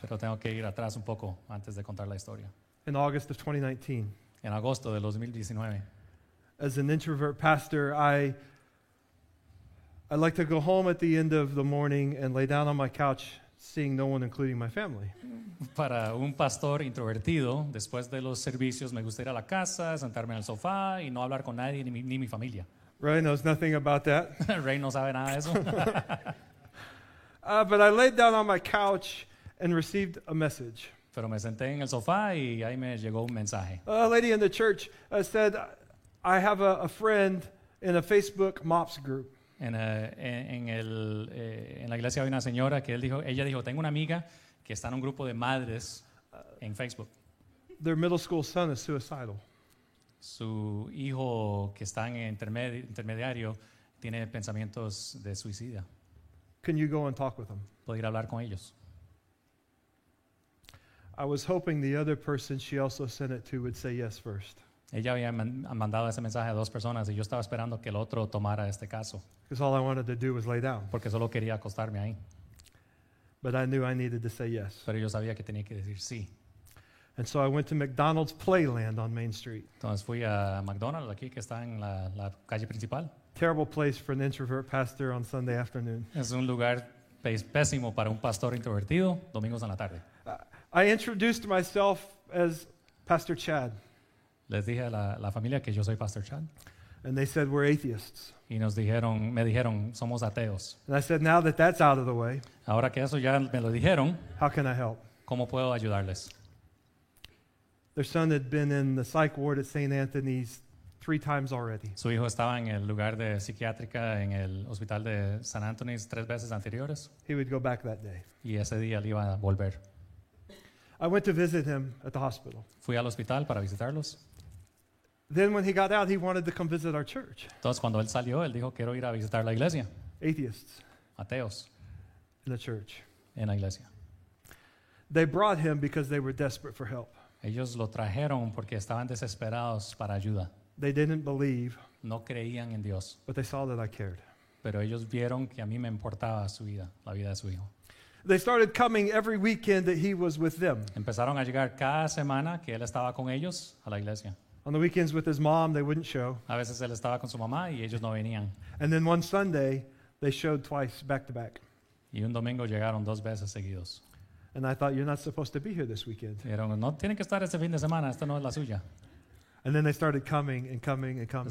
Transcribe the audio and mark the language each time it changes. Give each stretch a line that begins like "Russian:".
Spanish: Pero tengo que ir atrás un poco antes de contar la historia.
English: In August of 2019.
Spanish: En agosto de 2019.
English: As an introvert pastor, I like to go home at the end of the morning and lay down on my couch, seeing no one, including my family.
Spanish: Para un pastor introvertido, después de los servicios, me gusta ir a la casa, sentarme en el sofá y no hablar con nadie ni mi familia.
English: Ray knows nothing about that.
Spanish: Ray no sabe nada de eso.
English: But I laid down on my couch and received a message.
Spanish: Pero me senté en el sofá y ahí me llegó un mensaje.
English: A lady in the church said, "I have a friend in a Facebook MOPS group."
Spanish: En la iglesia había una señora que ella dijo, "Tengo una amiga que está en un grupo de madres en Facebook."
English: Their middle school son is suicidal.
Spanish: Su hijo que está en intermediario tiene pensamientos de suicida.
English: Can you go and talk with them?
Spanish: ¿Puedo ir a hablar con ellos?
English: I was hoping the other person she also sent it to would say yes first.
Spanish: Ella había mandado ese mensaje a dos personas y yo estaba esperando que el otro tomara este caso.
English: Because all I wanted to do was lay down.
Spanish: Porque solo quería acostarme ahí.
English: But I knew I needed to say yes.
Spanish: Pero yo sabía que tenía que decir sí.
English: And so I went to McDonald's Playland on Main Street.
Spanish: Entonces fui a McDonald's aquí que está en la calle principal.
English: Terrible place for an introvert pastor on Sunday afternoon.
Spanish: Es un lugar pésimo para un pastor introvertido domingos en la tarde.
English: I introduced myself as Pastor Chad.
Spanish: Les dije a la familia que yo soy Pastor Chad.
English: And they said we're atheists.
Spanish: Y nos dijeron, me dijeron, somos ateos.
English: And I said, now that that's out of the way.
Spanish: Ahora que eso ya me lo dijeron.
English: How can I help?
Spanish: ¿Cómo puedo ayudarles?
English: Their son had been in the psych ward at St. Anthony's 3 times already.
Spanish: Su hijo estaba en el lugar de psiquiátrica en el hospital de San Antonio 3 veces anteriores.
English: He would go back that day.
Spanish: Y ese día le iba a volver.
English: I went to visit him at the hospital.
Spanish: Fui al hospital para visitarlos.
English: Then when he got out, he wanted to come visit our church.
Spanish: Entonces cuando él salió, él dijo, quiero ir a visitar la iglesia.
English: Atheists.
Spanish: Ateos.
English: In the church.
Spanish: En la iglesia.
English: They brought him because they were desperate for help.
Spanish: Ellos lo trajeron porque estaban desesperados para ayuda.
English: They didn't believe.
Spanish: No creían en Dios.
English: But they saw that I cared.
Spanish: Pero ellos vieron que a mí me importaba su vida, la vida de su hijo.
English: They started coming every weekend that he was with them.
Spanish: Empezaron a llegar cada semana que él estaba con ellos a la iglesia.
English: On the weekends with his mom, they wouldn't show.
Spanish: A veces él estaba con su mamá y ellos no venían.
English: And then one Sunday, they showed twice back to back.
Spanish: Y un domingo llegaron 2 veces seguidos.
English: And I thought, you're not supposed to be here this weekend.
Spanish: Dijeron, no tienen que estar este fin de semana, esta no es la suya.
English: And then they started coming and coming and coming.